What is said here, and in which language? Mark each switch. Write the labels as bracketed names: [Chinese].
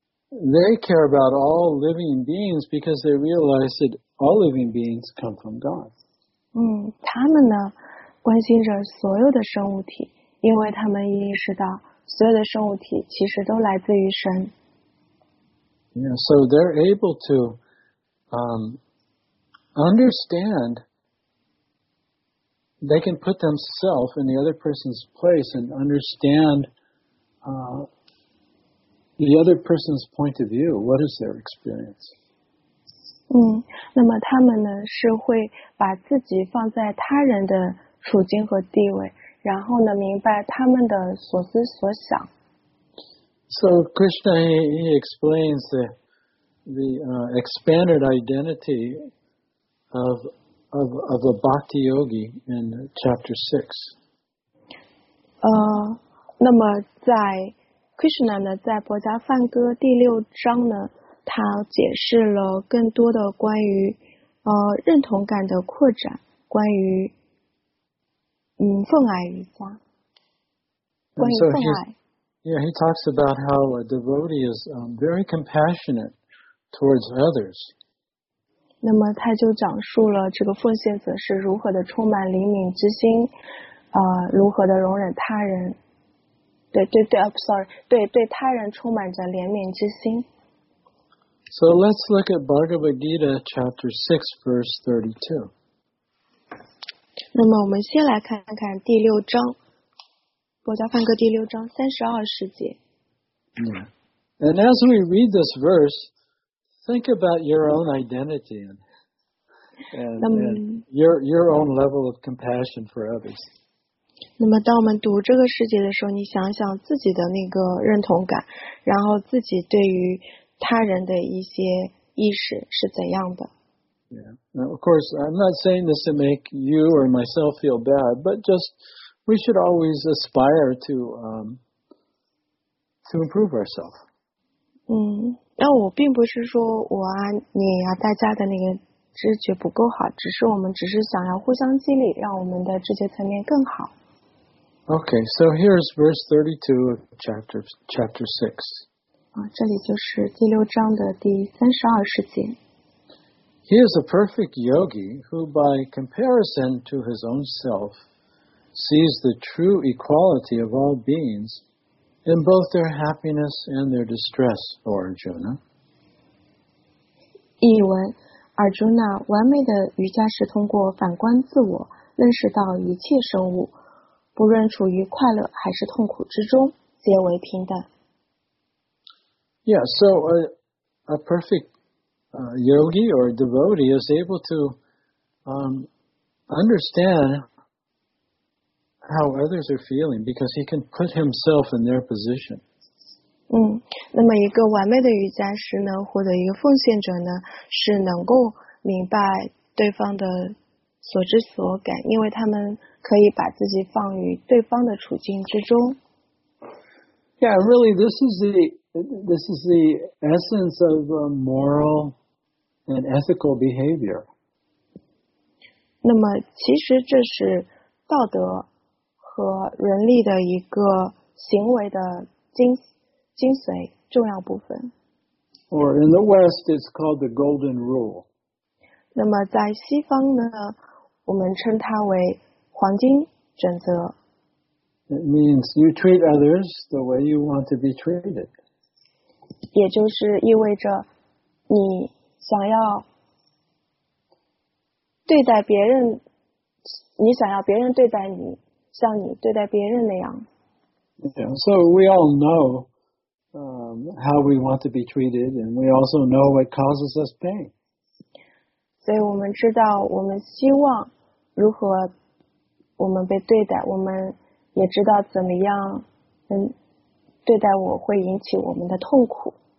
[English] They care about all living beings because they realize that all living beings come from God. [Chinese] 他们呢，关心着所有的生物体，因为他们意识到所有的生物体其实都来自于神。 [English] Yeah, so they're able to, understand. They can put themselves in the other person's place and understand, the other person's point of view. What is their experience? [Chinese] 那么他们呢是会把自己放在他人的处境和地位，然后呢明白他们的所思所想。 [English] So Krishna, he explains the expanded identity of a bhakti yogi in chapter 6. [Chinese] 那么在 Krishna 呢在博迦梵歌第六章呢，他解释了更多的关于认同感的扩展，关于奉爱瑜伽，关于奉爱。 [English] Yeah, he talks about how a devotee is very compassionate towards others. [Chinese] 那么他就讲述了这个奉献者是如何的充满怜悯之心，如何的容忍他人。对他人充满着怜悯之心。 [English] So let's look at Bhagavad Gita chapter 6, verse 32. [Chinese] 那么我们先来看看第六章。佛教梵歌第六章三十二十节。 [English] And as we read this verse, think about your own identity and your own level of compassion for others. [Chinese] 那么当我们读这个世界的时候，你想想自己的那个认同感，然后自己对于他人的一些意识是怎样的。 [English] Yeah. Now, of course, I'm not saying this to make you or myself feel bad, but just we should always aspire to improve ourselves. [Chinese] 但我并不是说我啊你啊大家的那个知觉不够好，只是我们只是想要互相激励，让我们的知觉层面更好。 [English] Okay, so here's verse 32 of chapter 6. [Chinese] 这里就是第六章的第三十二十节。 [English] He is a perfect yogi who by comparison to his own self,sees the true equality of all beings in both their happiness and their distress, O Arjuna. [Chinese] 译文 Arjuna, 完美的瑜伽是通过反观自我认识到一切生物不论处于快乐还是痛苦之中皆为平等。 [English] Yeah, so a perfect yogi or devotee is able to understandhow others are feeling because he can put himself in their position. [Chinese] 那么一个完美的瑜伽师呢或者一个奉献者呢是能够明白对方的所知所感，因为他们可以把自己放于对方的处境之中。 [English] Yeah, really, this is the essence of moral and ethical behavior. [Chinese] 那么其实这是道德和人力的一个行为的精髓重要部分。 [English] Or in the West, it's called the Golden Rule. [Chinese] 那么在西方呢，我们称它为黄金准则。 [English] It means you treat others the way you want to be treated. [Chinese] 也就是意味着你想要对待别人，你想要别人对待你。像你对待别人那样。 [English] Yeah, so we all know how we want to be treated, and we also know what causes us pain. [Chinese] 所以我们知道我们希望如何我们被对待，我们也知道怎么样对待我会引起我们的痛苦。